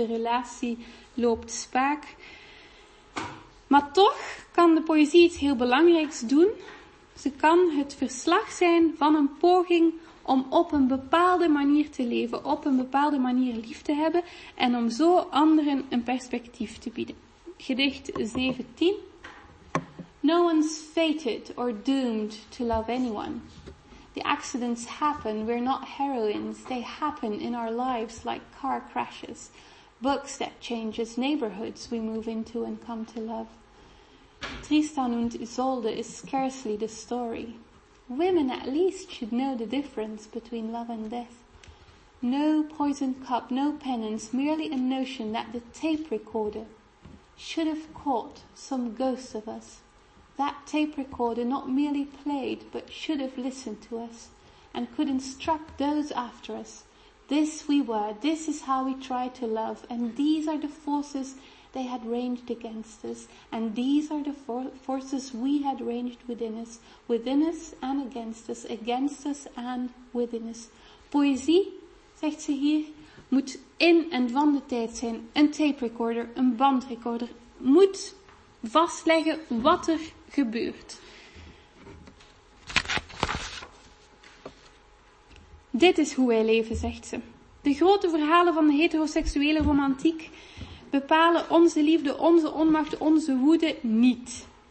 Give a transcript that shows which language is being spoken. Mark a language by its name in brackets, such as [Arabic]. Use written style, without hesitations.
[Dutch] De relatie loopt spaak. Maar toch kan de poëzie iets heel belangrijks doen. Ze kan het verslag zijn van een poging om op een bepaalde manier te leven, op een bepaalde manier lief te hebben en om zo anderen een perspectief te bieden. Gedicht 17. [English] No one's fated or doomed to love anyone. The accidents happen, we're not heroines. They happen in our lives like car crashes. Books that change us, neighborhoods we move into and come to love. Tristan und Isolde is scarcely the story. Women at least should know the difference between love and death. No poison cup, no penance, merely a notion that the tape recorder should have caught some ghosts of us. That tape recorder not merely played, but should have listened to us and could instruct those after us. This we were, this is how we try to love, and these are the forces they had ranged against us, and these are the forces we had ranged within us and against us and within us. [Dutch] Poëzie, zegt ze hier, moet in en van de tijd zijn. Een tape recorder, een bandrecorder, moet vastleggen wat er gebeurt. Dit is hoe wij leven, zegt ze. De grote verhalen van de heteroseksuele romantiek bepalen onze liefde, onze onmacht, onze woede niet.